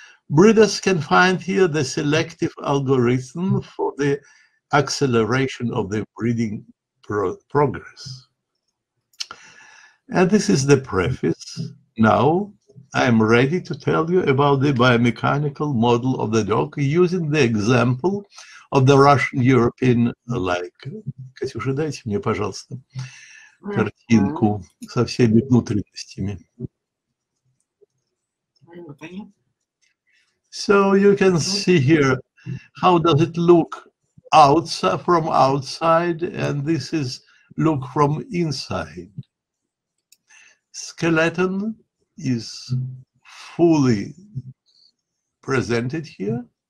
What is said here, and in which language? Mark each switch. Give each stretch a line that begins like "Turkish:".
English: Breeders can find here the selective algorithm for the acceleration of the breeding progress. And this is the preface. Now I am ready to tell you about the biomechanical model of the dog using the example of the Russian-European laika.
Russian: Катюша, дайте мне, пожалуйста, картинку со всеми внутренностями.
English: So you can see here, how does it look outside, from outside, and this is look from inside. Skeleton is fully presented here.